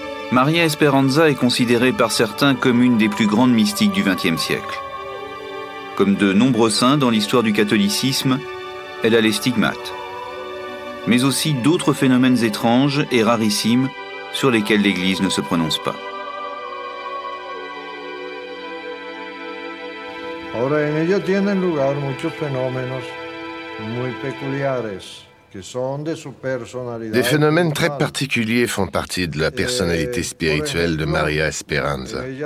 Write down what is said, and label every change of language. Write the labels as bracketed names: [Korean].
[French] Maria Esperanza est considérée par certains comme une des plus grandes mystiques du XXe siècle. Comme de nombreux saints dans l'histoire du catholicisme, elle a les stigmates. Mais aussi d'autres phénomènes étranges et rarissimes sur lesquels l'Église ne se prononce pas. [Spanish] Ahora en ello tienen lugar muchos fenómenos muy peculiares. [French] Des phénomènes très particuliers font partie de la personnalité spirituelle de Maria Esperanza.